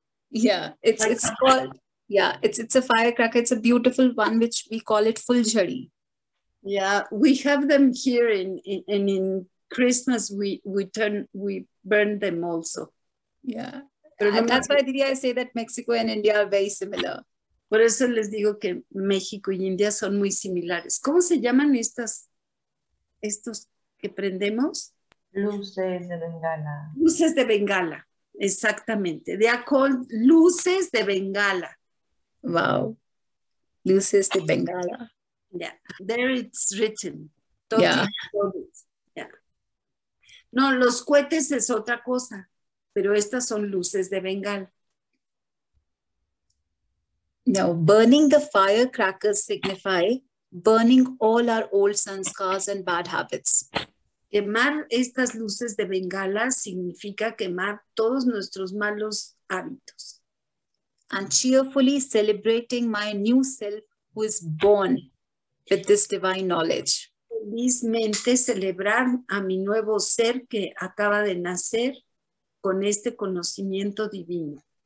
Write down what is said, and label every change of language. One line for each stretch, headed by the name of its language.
English: Yeah, it's called. Yeah, it's a firecracker. It's a beautiful one, which we call it fuljari. Yeah, we have them here in Christmas. We burn them also. Yeah, and that's why, Didi, I say that Mexico and India are very similar.
Spanish: Por eso les digo que México y India son muy similares. ¿Cómo se llaman estos que prendemos? Luces de bengala. Luces de bengala, exactamente.
English: They are called
Spanish: luces de bengala. Wow, luces de bengala.
English: Yeah, there it's written.
Spanish: Todo yeah. No, los cohetes es otra cosa. Pero estas son luces de Bengal.
English: Now, burning the firecrackers signify burning all our old sanskars and bad habits.
Spanish: Quemar estas luces de Bengala significa quemar todos nuestros malos hábitos.
English: And cheerfully celebrating my new self who is born with this divine knowledge.
Spanish: Felizmente celebrar a mi nuevo ser que acaba de nacer con este conocimiento divino.